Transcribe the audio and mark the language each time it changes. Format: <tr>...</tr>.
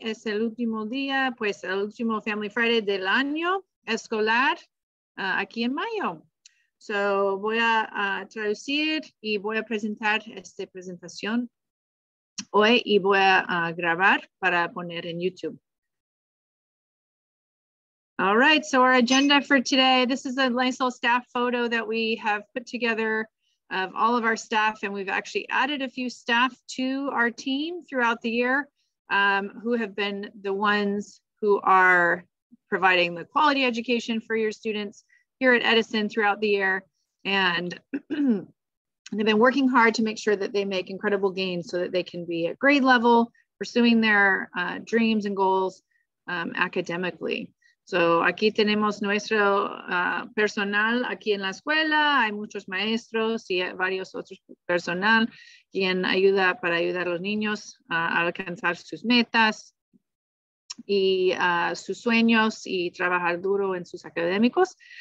<es>Es el último día, pues el último Family Friday del año escolar aquí en mayo. So voy a traducir y voy a presentar esta presentación hoy y voy a grabar para poner en YouTube.</es> <en>All right, so our agenda for today, this is a nice little staff photo that we have put together of all of our staff, and we've actually added a few staff to our team throughout the year who have been the ones who are providing the quality education for your students here at Edison throughout the year. And they've been working hard to make sure that they make incredible gains so that they can be at grade level, pursuing their dreams and goals academically.</en> <es>So aquí tenemos nuestro personal aquí en la escuela. Hay muchos maestros y varios otros personal quien ayuda para ayudar a los niños a alcanzar sus metas y sus sueños y trabajar duro en sus académicos.</es>